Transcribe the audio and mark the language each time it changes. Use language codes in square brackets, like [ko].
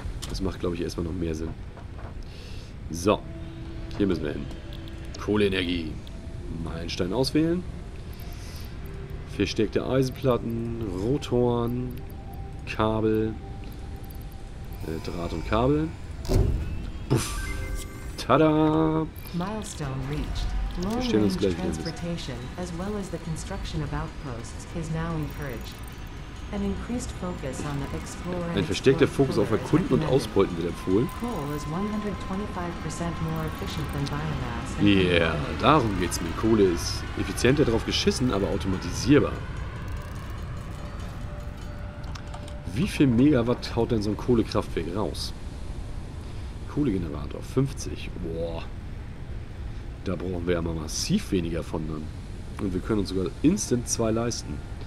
[de] Das macht, glaube ich, erstmal noch mehr Sinn. So. Hier müssen wir hin. Kohleenergie. Meilenstein auswählen. Versteckte Eisenplatten, Rotoren, Kabel, Draht und Kabel. [en] Puff. Tada! Milestone reached. [de] Wir stellen uns gleich [en] transportation as well as the construction of outposts is now encouraged. An increased focus on the explorer. [de] Ein versteckter Fokus auf Erkunden und Ausbeuten wird empfohlen. [en] Coal is 125% more efficient than biomass. [de] Yeah, darum geht's mir. Kohle ist effizienter drauf geschissen, aber automatisierbar. Wie viel Megawatt haut denn so ein Kohlekraftwerk raus? Kohlegenerator 50. Boah. Da brauchen wir ja mal massiv weniger von dann. Und wir können uns sogar instant zwei leisten.